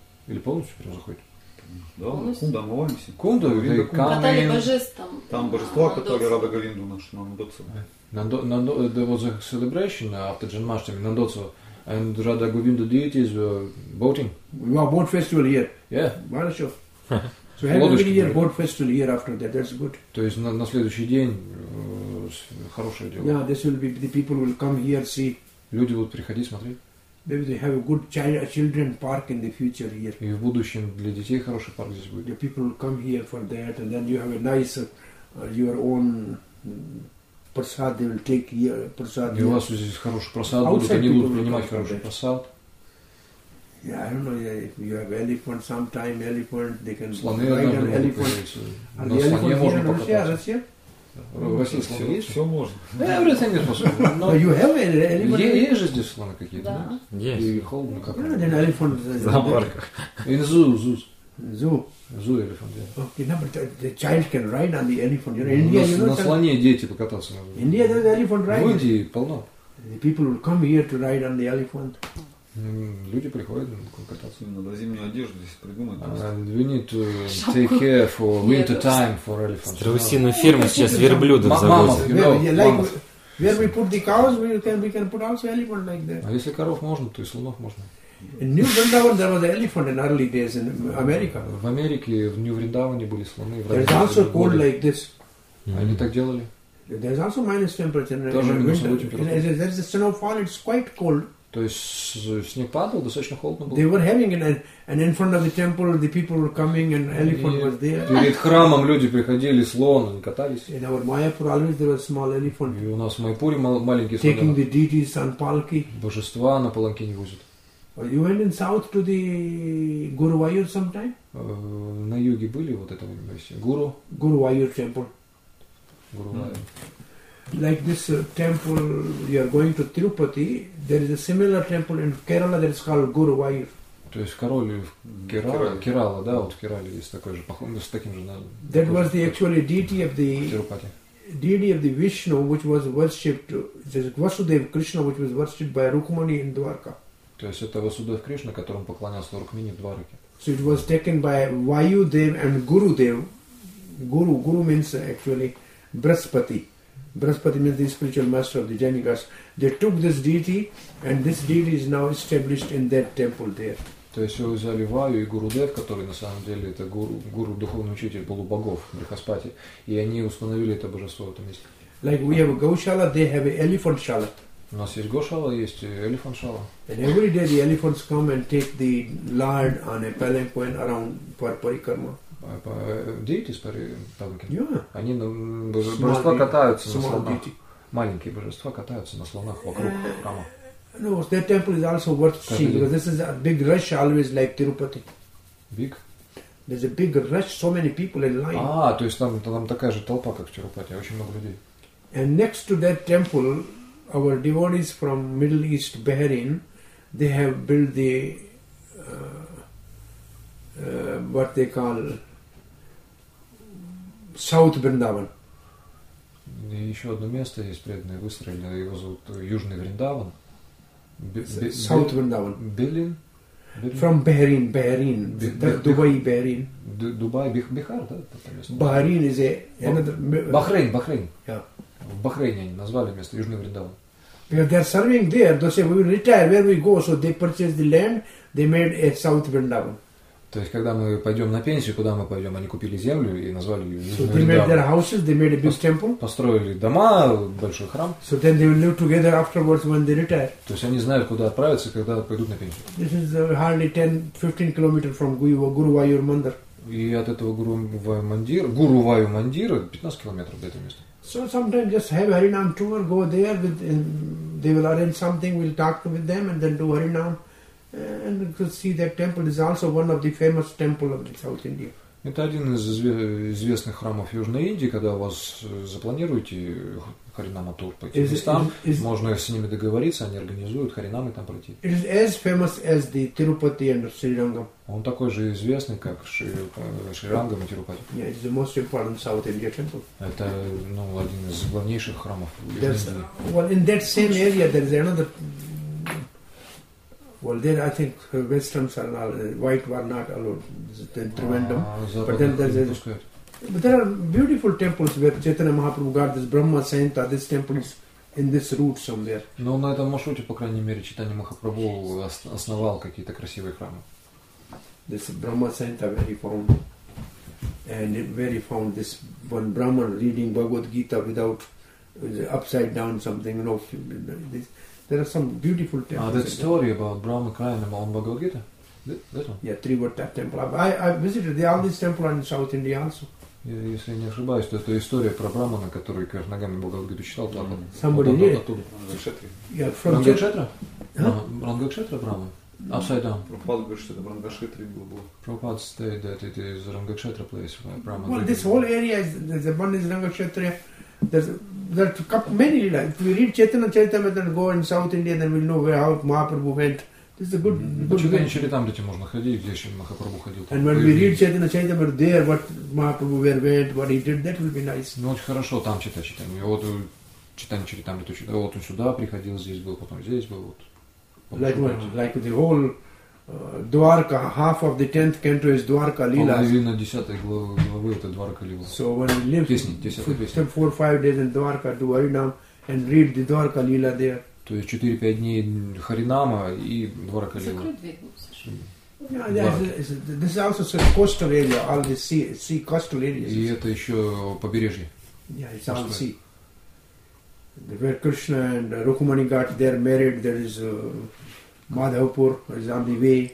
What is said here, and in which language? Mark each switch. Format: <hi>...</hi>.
<ru>Или полностью прямо заходит? Да, Кунда, омываемся. Кунда, Govinda Kund. Катали божества. Там божества, которые Радха Говинду наши, на Нандотсава.</ru> <en>There was a celebration after Janmashtami, Нандотсава. And Radha Govinda deities were boating. You have boat festival here. Yeah. Well, sure. So have you been here boat festival here after that? That's good.</en> <ru>То есть на следующий день хорошее дело.</ru> <en>Yeah, this will be the people will come here see.</en> <ru>Люди будут приходить смотреть.</ru> <en>Maybe they have a good children park in the future here.</en> <ru>И в будущем для детей хороший парк здесь будет.</ru> <en>The people will come here for that, and then you have a nice your own. Prasad, they will take here, prasad.</en> <ru>И у вас здесь хороший просад будет, они будут принимать хороший просад.</ru> <en>Yeah, I don't know, if you have elephant, sometime elephant, they can</en> <ru>слоны</ru> <en>ride an elephant.</en> <ru>На слоне можно покататься. Все можно.</ru> <en>Everything is possible. You have an elephant?</en> <ru>Есть же здесь слоны какие-то, да? Есть. И холм, ну как?</ru> <en>Yeah, then elephant.</en> <ru>В зоопарках.</ru> <en>In zoo, zoos. Zoo. Zoo elephant, yeah. Okay, no, but the child can ride on the elephant. You know, India, you know,</en> <ru>на слоне дети покататься могут.</ru> <en>India, there's elephant ride.</en> <ru>В Индии полно.</ru> <en>The people will come here to ride on the elephant.</en> <ru>Люди приходят кататься. Надо зимнюю одежду здесь придумать.</ru> <en>And we need to take care for winter time for elephants.</en> <ru>Страусиную ферму сейчас верблюдов завозят. Мамонт,</ru> <en>you know, Where we put the cows, we can put also elephant like that.</en> <ru>А если коров можно, то и слонов можно.</ru> <en>In New Vrindavan there was an elephant in early days in America.</en> <ru>В Америке в Нью-Вриндаване были слоны.</ru> <en>There's also cold like this.</en> <ru>Они так делали.</ru> <en>There's also minus temperature in winter. There's a snowfall, it's quite cold.</en> <ru>То есть снег падал, достаточно холодно было.</ru> <en>They were having and in front of the temple the people were coming and elephant was there.</en> <ru>Перед храмом люди приходили, слон, они катались.</ru> <en>In our Майяпур always there was small elephant.</en> <ru>И у нас в Майяпуре маленький слон.</ru> <en>Taking the deities on palki.</en> <ru>Божества на паланке не возят.</ru> <en>You went in south to the Guruvayur sometime?</en> <ru>На юге были вот это вместе. Гуру.</ru> <en>Guruvayur temple. Like this temple, you are going to Tirupati, there is a similar temple in Kerala that is called Guruvayur.</en> <ru>То есть король в Керала, да, вот в Керале есть такой же, похоже, с таким же названием.</ru> <en>That was the actually deity of the Tirupati. Deity of the Vishnu, which was worshipped, Vasudev Krishna, which was worshipped by Rukmani in Dwarka.</en> <ru>То есть это Васудев Кришна, которому поклонялся Рукмини в Двараке.</ru> <en>So it was taken by Vayudev and Gurudev. Guru, Guru means actually Braspati. Braspati means the spiritual master of the Jainikas. They took this deity and this deity is now established in that temple there.</en> <ru>То есть его взяли Ваю и Гурудев, который на самом деле это гуру, духовный учитель полубогов, Брихаспати, и они установили это божество в этом месте.</ru> <en>Like we have a Gaushala, they have an elephant shala.</en> <ru>У нас есть гошала, есть</ru> <en>elephant shala. And every day the elephants come and take the lard on a palanquin around for parikarma. Deities for palanquin. Yeah.</en> <ru>Они божества катаются на слонах. Маленькие божества катаются на слонах вокруг храма.</ru> <en>No, that temple is also worth seeing because this is a big rush always like Tirupati. Big? There's a big rush, so many people in line.</en> <ru>А, то есть там такая же толпа, как в Тирупати, очень много людей.</ru> <en>And next to that temple. Our devotees from Middle East, Bahrain, they have built the what they call South Vrindavan.</en> <ru>И еще одно место есть преданное, выстроили, его зовут Южный Вриндаван.</ru> <en>South Vrindavan. Berlin. From Bahrain, Bahrain, Dubai, Bahrain.</en> <ru>Dubai, Bihar, да?</ru> <en>Bahrain is Bahrain, Bahrain. Yeah.</en> <ru>В Бахрейне они назвали место Южный Вриндаван.</ru> <en>Because they are serving there, they say we will retire where we go. So they purchased the land, they made a South Vrindavan.</en> <ru>То есть когда мы пойдем на пенсию, куда мы пойдем? Они купили землю и назвали ее.</ru> <en>So they made their houses, they made a big temple.</en> <ru>Построили дома, большой храм.</ru> <en>So then they will live together afterwards when they retire.</en> <ru>То есть они знают, куда отправиться, когда пойдут на пенсию.</ru> <en>This is hardly 10-15 kilometers from Guruvayur Mandir.</en> <ru>И от этого Guruvayur Mandir 15 километров до этого места.</ru> <en>So sometimes just have Harinam tour, go there, with, they will arrange something, we'll talk with them and then do Harinam. And you could see that temple is also one of the famous temples of the South India.</en> <ru>Это один из известных храмов Южной Индии, когда у вас запланируете харинама тур по этим местам, можно с ними договориться, они организуют харинамы там пройти.</ru> <en>It is as famous as the Tirupati and Sri Rangam.</en> <ru>Он такой же известный, как Шри Рангам и Тирупати.</ru> <en>Yeah, it's the most important South India temple.</en> <ru>Это, ну, один из главнейших храмов в Индии.</ru> <en>Well, in that same area there is another. Well, there I think Westerns are not, white were not allowed in Trivandrum. But then there are beautiful temples where Chaitanya Mahaprabhu got this Brahma Sainta, this temple is in this route somewhere.</en> <ru>Но на этом маршруте, по крайней мере, Chaitanya Mahaprabhu основал какие-то красивые храмы.</ru> <en>This Brahma Sainta where he found, and where he found this one Brahman reading Bhagavad Gita without upside down something, you know, this. There are some beautiful temples. That story about Brahma crying about Bhagavad Gita? That one? Yeah, Trivatta temple. I visited all these temples in South India also.</en> <ru>Если я не ошибаюсь, то это история про Брамана, который кверх ногами Бхагавад Гиту читал.</ru> <en>Somebody did. Рангакшетра? Рангакшетра Брама? Upside down.</en> <ru>Прабхупада говорит, что это Рангакшетра было.</ru> <en>Прабхупада said that it is Рангакшетра place. Well, this whole area, the one is Рангакшетра. There's a couple, many, like, if we read Chaitanya Charitamrita and go in South India, then we'll know where how Mahaprabhu went. This is a good</en> <ru>Chaitanya Charitamrita можно ходить, где еще Махапрабху ходил.</ru> <en>And when we read Chaitanya Charitamrita there, what Mahaprabhu where went, what he did, that will be nice.</en> <ru>Ну, очень хорошо там читать Chaitanya. Вот Chaitanya Charitamrita, вот он сюда приходил, здесь был, потом здесь был. Вот,</ru> <en>like what? Like the whole Dwarka, half of the 10th canto is Dwarka Lila.</en> <ru>Половина 10 главы это Dwarka Lila.</ru> <en>So when we live for 4-5 days in Dwarka, do Harinam and read the Dwarka Lila there.</en> <ru>То есть 4-5 дней Харинама и Dwarka Lila. Закрой дверь.</ru> <en>This is also sort of coastal area, all the sea coastal areas.</en> <ru>И это еще побережье.</ru> <en>Yeah, it's all sea. Where Krishna and Rukmani got there married, there is Madhavapur is on the way.</en>